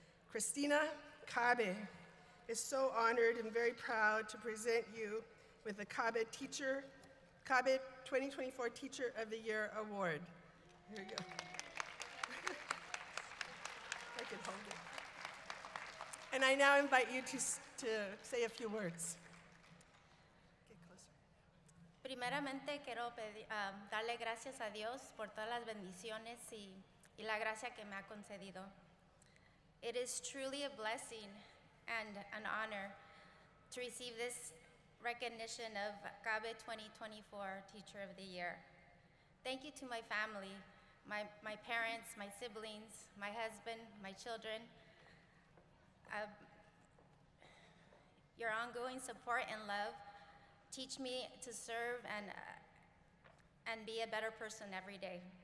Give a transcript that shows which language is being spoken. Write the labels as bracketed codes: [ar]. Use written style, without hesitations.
[en] Christina CABE is so honored and very proud to present you with the CABE Teacher, CABE 2024 Teacher of the Year Award. Here you go. And I now invite you to say a few words. Get closer. [es] Primeramente quiero darle gracias a Dios por todas las bendiciones y la gracia que me ha concedido. [en] It is truly a blessing and an honor to receive this recognition of CABE 2024 Teacher of the Year. Thank you to my family. My parents, my siblings, my husband, my children, your ongoing support and love teach me to serve and be a better person every day.